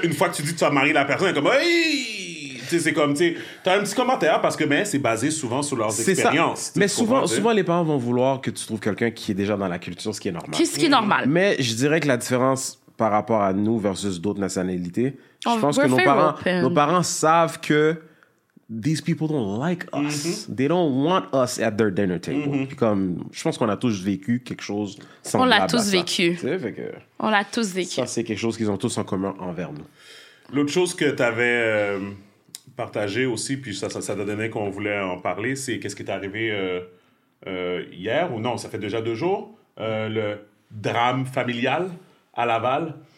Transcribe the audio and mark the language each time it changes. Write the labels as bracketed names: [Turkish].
[French] qu'une fois que tu dis que tu as marié la personne, elle est comme, hey! T'sais, c'est comme, tu sais, t'as un petit commentaire parce que ben, c'est basé souvent sur leurs expériences. Mais souvent, les parents vont vouloir que tu trouves quelqu'un qui est déjà dans la culture, ce qui est normal. Qu'est-ce qui est normal? Mais je dirais que la différence par rapport à nous versus d'autres nationalités. Je pense que nos parents savent que [English] these people don't like us. [French] Mm-hmm. [English] They don't want us at their dinner table. Mm-hmm. [French] Comme, je pense qu'on a tous vécu quelque chose semblable. On l'a tous vécu. On l'a tous vécu. Ça, c'est quelque chose qu'ils ont tous en commun envers nous. L'autre chose que tu avais partagé aussi, puis ça donnait qu'on voulait en parler, c'est qu'est-ce qui est arrivé hier ou non, ça fait déjà 2 jours, le drame familial à Laval.